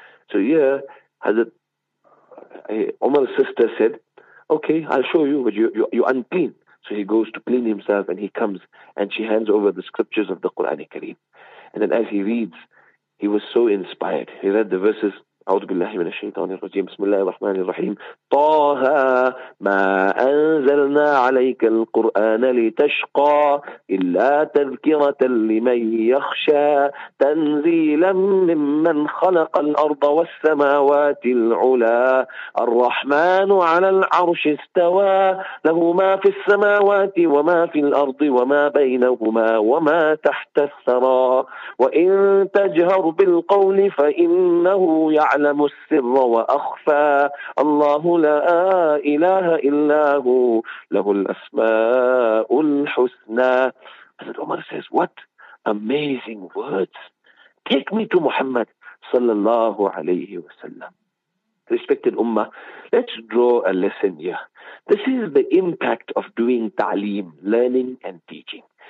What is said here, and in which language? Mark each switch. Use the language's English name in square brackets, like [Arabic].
[English] So here, Hazrat Umar's sister said, okay, I'll show you, but you're unclean. So he goes to clean himself and he comes and she hands over the scriptures of the Quran Kareem. And then as he reads, he was so inspired. He read the verses, [Arabic] أعوذ بالله من الشيطان الرجيم بسم الله الرحمن الرحيم طه ما أنزلنا عليك القرآن لتشقى إلا تذكرة لمن يخشى تنزيلا ممن خلق الأرض والسماوات العلا الرحمن على العرش استوى له ما في السماوات وما في الأرض وما بينهما وما تحت الثرى وإن تجهر بالقول فإنه يعلم علم السر وأخفى الله لا إله إلا هو له الأسماء الحسنى. [English] Hazrat Umar says, what amazing words. Take me to Muhammad sallallahu alayhi wa sallam. Respected Ummah, let's draw a lesson here. This is the impact of doing ta'lim, learning and teaching.